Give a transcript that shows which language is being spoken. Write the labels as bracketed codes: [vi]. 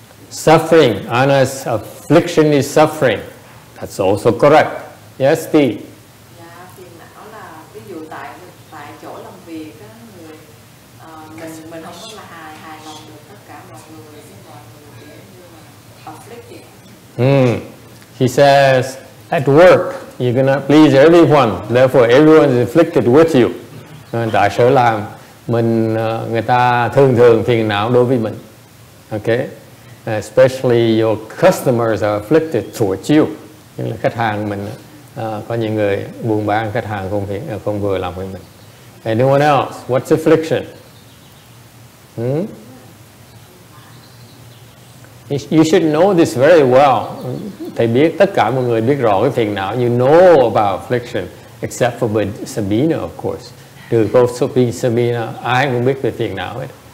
[en] Suffering. Anna's affliction is suffering. That's also correct. Yes, T. [vi] Yeah, phiền não là ví dụ tại chỗ làm việc á, mình không có là hài lòng được tất cả mọi người [en] He says at work. You cannot please everyone, therefore everyone is afflicted with you. [vi] Tại sở làm, mình người ta thường thường phiền não đối với mình. Okay? [en] Especially your customers are afflicted towards you. [vi] Nhưng là khách hàng mình, có những người buôn bán khách hàng không vừa lòng với mình. [en] Anyone else? What's affliction? You should know this very well. [vi] Thầy biết, tất cả mọi người biết rõ cái phiền não. [en] You know about affliction, except for Sabina, of course. [vi] Trừ cô Sabina, ai cũng biết về phiền não hết.